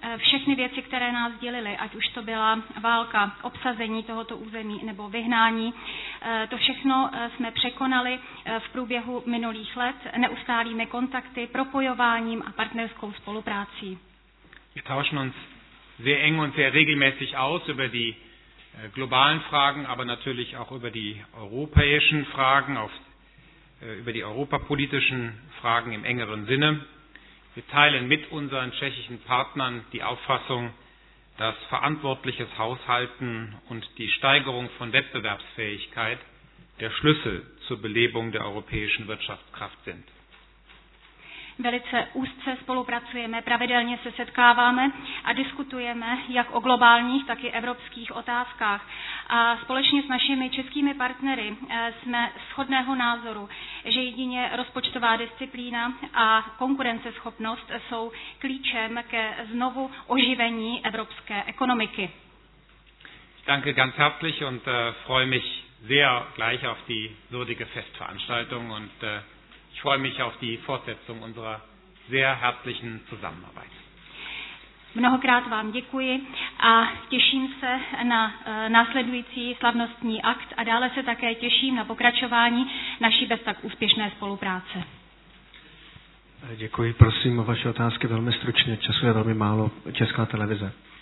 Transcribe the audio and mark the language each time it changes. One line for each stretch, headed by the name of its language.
Czech: Všechny věci, které nás dělily, ať už to byla válka, obsazení tohoto území nebo vyhnání, to všechno jsme překonali v průběhu minulých let neustálými kontakty, propojováním a partnerskou spoluprácí.
German: Wir tauschen uns sehr eng und sehr regelmäßig aus über die globalen Fragen, aber natürlich auch über die europäischen Fragen, über die europapolitischen Fragen im engeren Sinne. Wir teilen mit unseren tschechischen Partnern die Auffassung, dass verantwortliches Haushalten und die Steigerung von Wettbewerbsfähigkeit der Schlüssel zur Belebung der europäischen Wirtschaftskraft sind.
Czech: Velice úzce spolupracujeme, pravidelně se setkáváme a diskutujeme jak o globálních, tak i evropských otázkách. A společně s našimi českými partnery jsme shodného názoru, že jedině rozpočtová disciplína a konkurenceschopnost jsou klíčem ke znovu oživení evropské ekonomiky.
German: Danke ganz herzlich und freue mich sehr gleich auf die würdige Festveranstaltung und ich freue mich auf die Fortsetzung unserer sehr herzlichen Zusammenarbeit.
Czech: Mnohokrát vám děkuji a těším se na následující slavnostní akt a dále se také těším na pokračování naší bez tak úspěšné spolupráce. Děkuji, prosím o vaše otázky velmi stručně, času je velmi málo, Česká televize.